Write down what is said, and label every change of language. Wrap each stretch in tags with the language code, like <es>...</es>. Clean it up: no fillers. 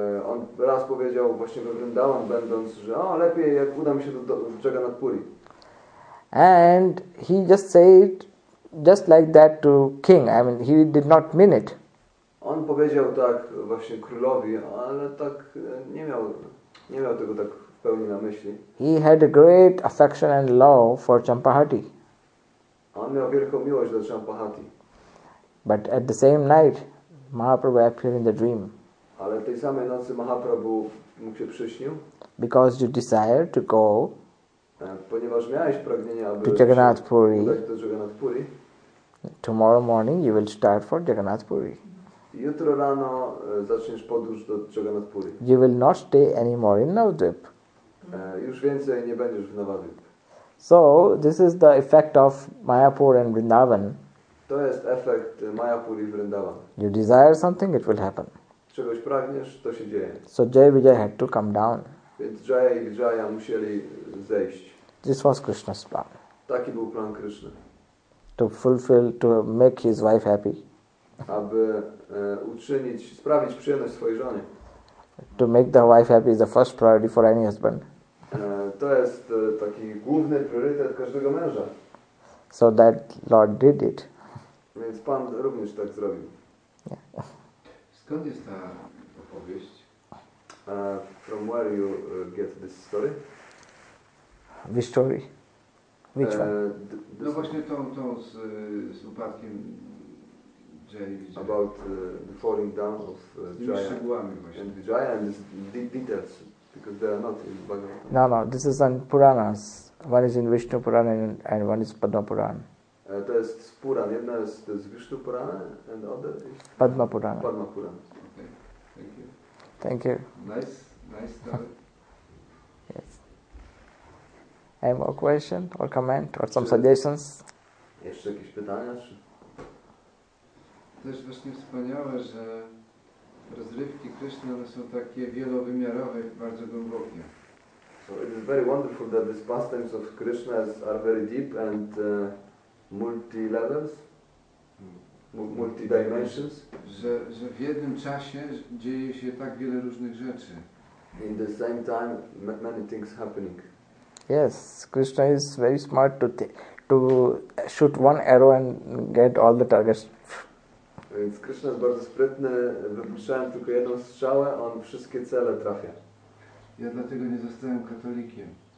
<pl>On raz powiedział właśnie we Vrindavan, będąc, że o, lepiej jak uda mi się do Jagannath Puri.</pl> <en>And he just said just like that to king, I mean, he did not mean it.</en> <pl>On powiedział tak właśnie królowi, ale tak nie miał tego tak w pełni na myśli.</pl> <en>He had a great affection and love for Champahati.</en> <pl>On miał wielką miłość do Champahati.</pl> <en>But at the same night, Mahaprabhu appeared in the dream.</en> <pl>Ale tej samej nocy Mahaprabhu mu się przyśnił.</pl> <en>Because you desire to go.</en> <pl>Ponieważ miałeś pragnienie, aby</pl> <en>to Jagannath Puri. Puri. Tomorrow morning you will start for Jagannath Puri.</en> <pl>Jutro rano zaczniesz podróż do Jagannath Puri.</pl> <en>You will not stay anymore in Navadvip.</en> <pl>Już więcej nie będziesz w Navadvip.</pl> <en>So this is the effect of Mayapur and Vrindavan.</en> <pl>To jest efekt Mayapur i Vrindavan.</pl> <en>You desire something, it will happen.</en> <pl>Czegoś pragniesz, to się dzieje.</pl> <en>So Jaya Vijaya had to come down.</en> <pl>Więc Jaya i Vijaya musieli zejść.</pl> <en>This was Krishna's plan.</en> <pl>Taki był plan Krishna.</pl> <en>To fulfill, to make his wife happy.</en> <pl>Aby uczynić, sprawić przyjemność swojej żonie.</pl> <en>To make the wife happy is the first priority for any husband.</en> <pl>To jest taki główny priorytet każdego męża.</pl> <en>So that Lord did it.</en> <pl>Więc Pan również tak zrobił. Yeah. Skąd jest ta opowieść?</pl> <en>From where you get this story? Which story? Which one?</en> <pl>No właśnie tą z upadkiem Jaya.</pl> <en>About the falling down of Jaya.</en> <pl>Z szczegółami właśnie.</pl> <en>And Jaya and the details. Because they are not in Bhagavatam. No, this is on Puranas. One is in Vishnu Purana and one is Padma Purana.</en> <pl>To jest z Puran. Jedna jest z Vishnu Purana</pl> <en>and the other is Padma Purana. Padma Purana. Okay. Thank you. Thank you. Nice story. Yes. Any more question or comment or some suggestions?</en> <pl>Jeszcze jakieś pytania? To jest właśnie wspaniałe, że rozrywki Krishna, one są takie wielowymiarowe, bardzo głębokie.</pl> <en>So it is very wonderful that these pastimes of Krishna are very deep and multi-levels, multi-dimensions.</en> <pl>Że w jednym czasie dzieje się tak wiele różnych rzeczy.</pl> <en>In the same time, many things happening. Yes, Krishna is very smart to shoot one arrow and get all the targets.</en> <pl>Więc Krishna jest bardzo sprytny, wypuszczałem tylko jedną strzałę, on wszystkie cele trafia. Ja dlatego nie zostałem katolikiem.</pl>